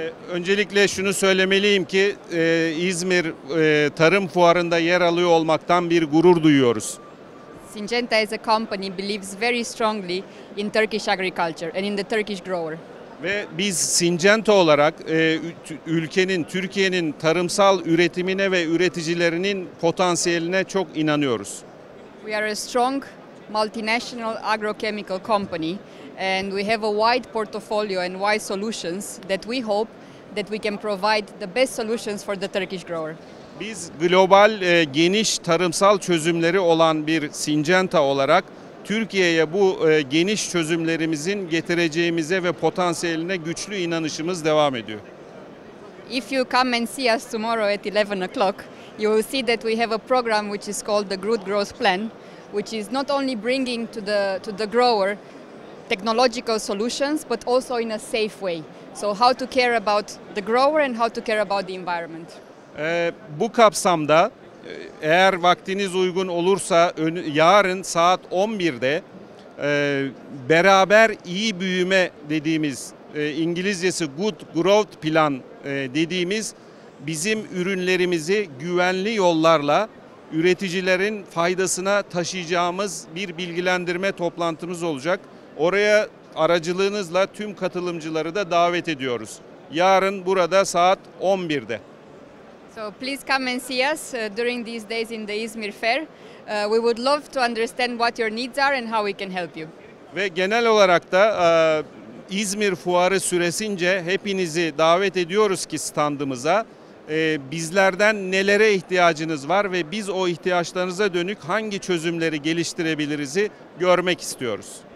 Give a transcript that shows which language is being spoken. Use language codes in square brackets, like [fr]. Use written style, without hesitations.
[tr] Öncelikle şunu söylemeliyim ki İzmir Tarım Fuarı'nda yer alıyor olmaktan bir gurur duyuyoruz. [en] Syngenta as a company believes very strongly in Turkish agriculture and in the Turkish grower. [tr] Ve biz Syngenta olarak ülkenin, Türkiye'nin tarımsal üretimine ve üreticilerinin potansiyeline çok inanıyoruz. [en] We are a strong multinational agrochemical company and we have a wide portfolio and wide solutions that we hope that we can provide the best solutions for the Turkish grower. [tr] Biz global geniş tarımsal çözümleri olan bir Syngenta olarak Türkiye'ye bu geniş çözümlerimizin getireceğimize ve potansiyeline güçlü inanışımız devam ediyor. [en] If you come and see us tomorrow at 11 o'clock, you will see that we have a program which is called the Good Growth Plan, which is not only bringing to the grower technological solutions, but also in a safe way. So how to care about the grower and how to care about the environment. [tr] Bu kapsamda eğer vaktiniz uygun olursa yarın saat 11'de beraber iyi büyüme dediğimiz İngilizcesi Good Growth Plan dediğimiz bizim ürünlerimizi güvenli yollarla üreticilerin faydasına taşıyacağımız bir bilgilendirme toplantımız olacak. Oraya aracılığınızla tüm katılımcıları da davet ediyoruz. Yarın burada saat 11'de. [en] So please come and see us during these days in the Izmir Fair. We would love to understand what your needs are and how we can help you. [tr] Ve genel olarak da İzmir Fuarı süresince hepinizi davet ediyoruz ki standımıza. Bizlerden nelere ihtiyacınız var ve biz o ihtiyaçlarınıza dönük hangi çözümleri geliştirebiliriz görmek istiyoruz.